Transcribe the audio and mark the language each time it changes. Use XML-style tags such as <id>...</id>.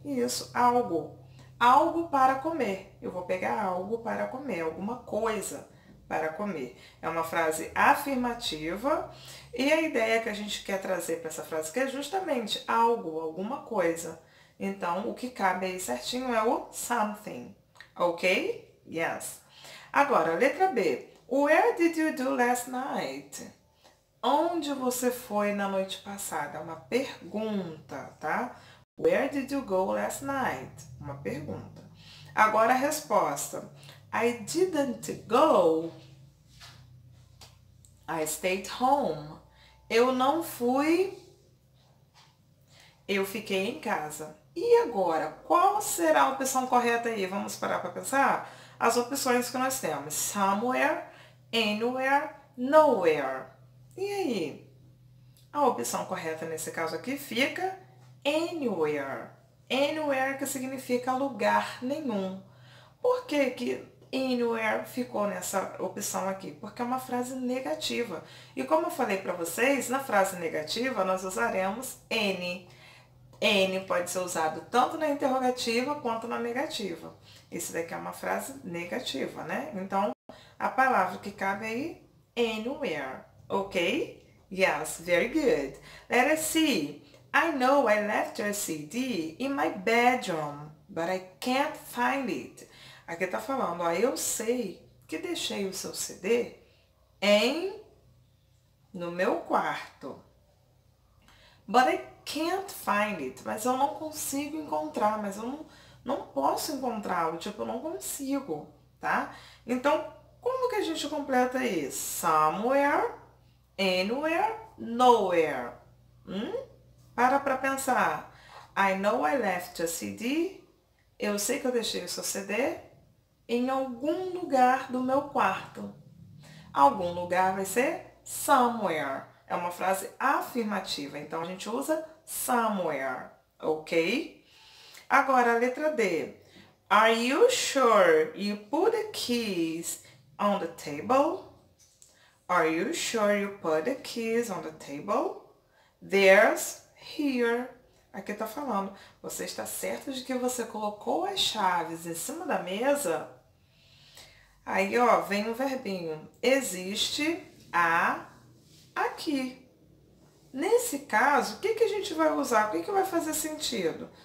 <pt>Isso, algo. Algo para comer. Eu vou pegar algo para comer, alguma coisa para comer. É uma frase afirmativa e a ideia que a gente quer trazer para essa frase aqui é justamente algo, alguma coisa. Então, o que cabe aí certinho é o something. Ok? Yes. Agora, letra B.</pt> <en>Where did you do last night?</en> <pt>Onde você foi na noite passada? É uma pergunta, tá?</pt> <en>Where did you go last night?</en> <pt>Uma pergunta. Agora a resposta.</pt> <en>I didn't go. I stayed home.</en> <pt>Eu não fui. Eu fiquei em casa. E agora, qual será a opção correta aí? Vamos parar para pensar? as opções que nós temos:</pt> <en>somewhere, anywhere, nowhere.</en> <pt>E aí? A opção correta nesse caso aqui fica anywhere. Anywhere que significa lugar nenhum. Por que que anywhere ficou nessa opção aqui? Porque é uma frase negativa. E como eu falei para vocês, na frase negativa nós usaremos any. N pode ser usado tanto na interrogativa quanto na negativa. Isso daqui é uma frase negativa, né? Então, a palavra que cabe aí, anywhere.</pt> <en>Ok? Yes, very good. Let us see. I know I left your CD in my bedroom, but I can't find it.</en> <pt>Aqui tá falando, ó, eu sei que deixei o seu CD no meu quarto.</pt> <en>But I can't find it.</en> <pt>Mas eu não consigo encontrar. Mas eu não posso encontrá-lo. Tipo, eu não consigo, tá? Então, como que a gente completa isso?</pt> <en>Somewhere, anywhere, nowhere.</en> <pt>Para pra pensar.</pt> <en>I know I left your CD.</en> <pt>Eu sei que eu deixei o seu CD em algum lugar do meu quarto. Algum lugar vai ser somewhere. É uma frase afirmativa, então a gente usa somewhere, ok? Agora a letra D.</pt> <en>Are you sure you put the keys on the table? Are you sure you put the keys on the table? There's here.</en> <pt>Aqui tá falando. Você está certo de que você colocou as chaves em cima da mesa? Aí, ó, vem o verbinho. Existe a aqui. Nesse caso, o que que a gente vai usar? O que que vai fazer sentido?</pt>